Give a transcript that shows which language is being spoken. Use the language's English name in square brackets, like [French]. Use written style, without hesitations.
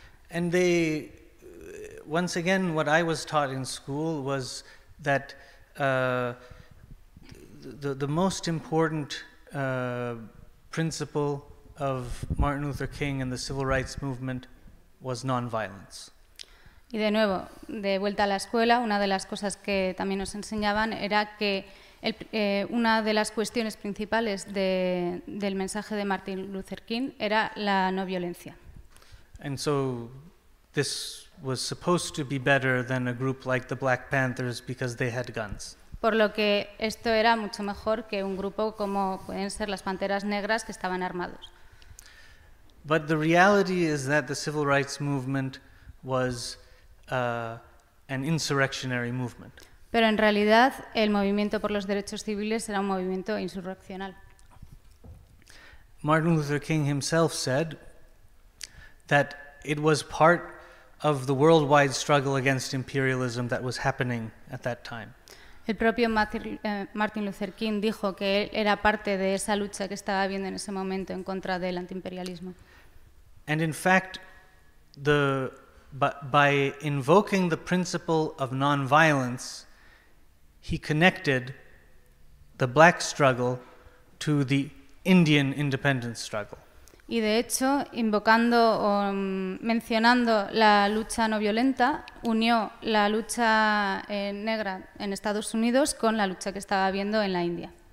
[English] And they, once again, what I was taught in school was that the most important principle of Martin Luther King and the civil rights movement was nonviolence. [Spanish] Y de nuevo, de vuelta a la escuela, una de las cosas que también nos enseñaban era que una de las cuestiones principales del mensaje de Martin Luther King era la no violencia. [English] And so this was supposed to be better than a group like the Black Panthers because they had guns. [Spanish] Por lo que esto era mucho mejor que un grupo como pueden ser las Panteras Negras que estaban armados. [English] But the reality is that the civil rights movement was an insurrectionary movement. [Spanish] Pero en realidad el movimiento por los derechos civiles era un movimiento insurreccional. [English] Martin Luther King himself said that it was part of the worldwide struggle against imperialism that was happening at that time. [Spanish] El propio Martin Luther King dijo que él era parte de esa lucha que estaba habiendo en ese momento en contra del antiimperialismo. [English] And in fact, by invoking the principle of nonviolence, he connected the black struggle to the Indian independence struggle. [Spanish] Y de hecho, invocando o mencionando la lucha no violenta, unió la lucha negra en Estados Unidos con la lucha que estaba habiendo en la India.